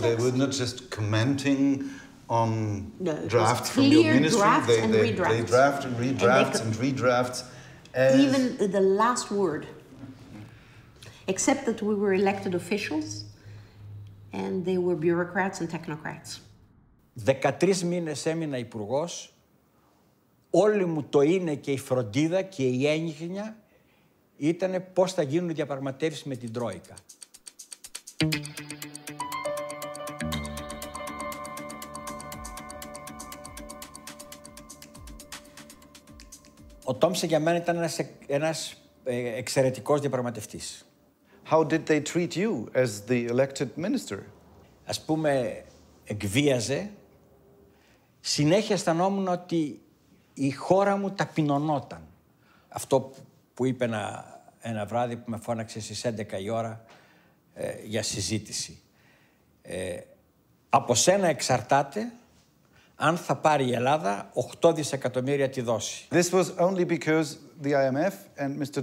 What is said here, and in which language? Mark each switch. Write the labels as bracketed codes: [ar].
[en] they were not just commenting on drafts from clear your ministry? Drafts they redrafts. They draft and redrafts and redrafts. As even the last word. Except that we were elected officials and they were bureaucrats and technocrats. [el] 13 months έμεινα υπουργός. Όλη μου το είναι και η φροντίδα και η έγχυνα ήταν πώς θα γίνουν οι διαπραγματεύσεις με την Τρόικα. Ο Τόμσεν για μένα ήταν ένας εξαιρετικός διαπραγματευτής. [en] How did they treat you as the elected minister? [el] Ας πούμε, εκβίαζε. Συνέχεια αισθανόμουν ότι η χώρα μου ταπεινωνόταν. Αυτό που είπε ένα βράδυ που με φώναξε στις 11 η ώρα για συζήτηση. Από σένα εξαρτάται αν θα πάρει η Ελλάδα 8 δισεκατομμύρια τη δόση. [en] This was only because the IMF and Mr.